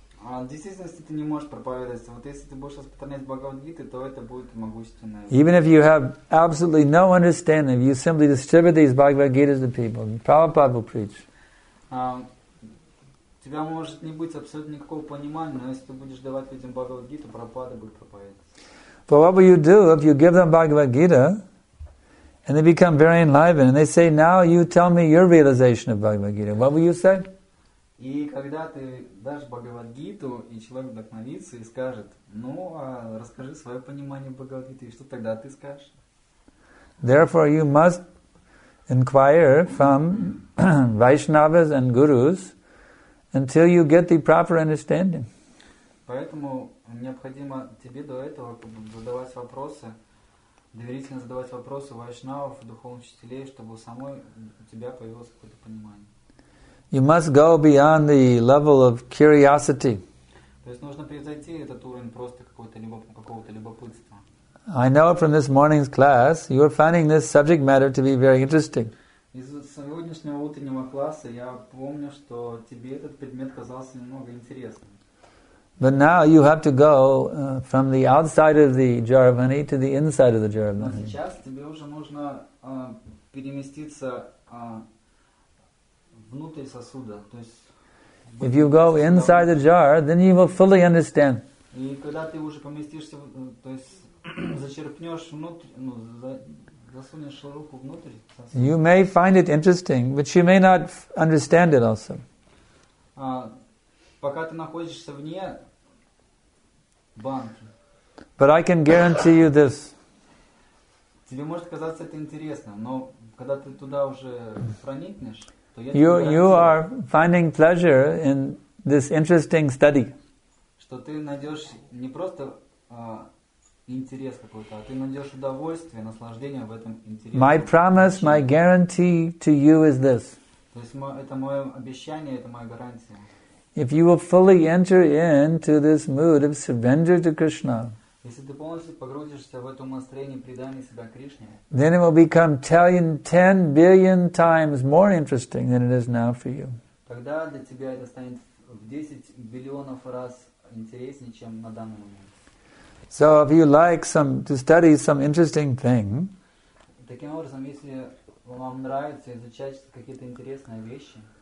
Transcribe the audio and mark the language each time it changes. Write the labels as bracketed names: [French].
[English] Even if you have absolutely no understanding, if you simply distribute these Bhagavad Gita to people, Prabhupada will preach. [Russian] Тебя может не быть абсолютно никакого понимания, но если ты будешь давать людям Бхагавад Гиту, Прабхупада будет проповедовать. [English] But what will you do if you give them Bhagavad Gita? And they become very enlivened, and they say, "Now you tell me your realization of Bhagavad Gita." What will you say? [Russian] И когда ты дашь Бхагавад-гиту, и человек вдохновится и скажет, ну, а расскажи свое понимание Бхагавад-гиты, и что тогда ты скажешь? [English] Therefore, you must inquire from Vaishnavas and Gurus until you get the proper understanding. [Russian] Поэтому необходимо тебе до этого задавать вопросы, доверительно задавать вопросы вайшнавов и духовных учителей, чтобы у самой у тебя появилось какое-то понимание. [English] You must go beyond the level of curiosity. [Russian] То есть нужно превзойти этот уровень просто какого-то любопытства. [English] I know from this morning's class you are finding this subject matter to be very interesting. [Russian] Из сегодняшнего утреннего класса я помню, что тебе этот предмет казался немного интересным. [English] But now you have to go from the outside of the Jhāravani to the inside of the Jhāravani. [Russian] Сейчас тебе уже нужно переместиться внутрь сосуда. То есть, [English] if you go inside the jar, then you will fully understand. [Russian] И когда ты уже поместишься, то есть зачерпнешь внутрь, ну, засунешь руку внутрь сосуда. [English] You may find it interesting, but you may not understand it also. [Russian] Пока ты находишься вне банки. [English] But I can guarantee you this. [Russian] Тебе может казаться это интересно, но когда ты туда уже проникнешь, [English] You are finding pleasure in this interesting study. [Russian] Что ты найдешь не просто интерес какой-то, а ты найдешь удовольствие, наслаждение в этом интересе. [English] My promise, my guarantee to you is this. [Russian] То есть это мое обещание, это моя гарантия. [English] If you will fully enter into this mood of surrender to Krishna. [Russian] Если ты полностью погрузишься в это настроение предания себя Кришне, [English] then it will become 10 billion times more interesting than it is now for you. [Russian] Тогда для тебя это станет в 10 [English] billion [Russian] раз интереснее, чем на данный момент. [English] So if you like to study some interesting thing, [Russian] таким образом, если вам нравится изучать какие-то интересные вещи,